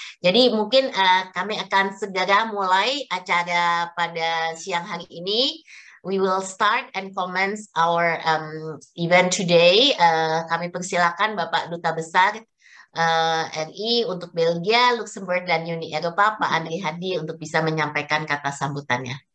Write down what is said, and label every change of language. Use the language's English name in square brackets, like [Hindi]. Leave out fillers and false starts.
[Indonesian] Jadi mungkin kami akan segera mulai acara pada siang hari ini. [English] We will start and commence our event today. [Indonesian] Kami persilakan Bapak Duta Besar RI untuk Belgia, Luxembourg, dan Uni Eropa, Pak Andri Hadi, untuk bisa menyampaikan kata sambutannya.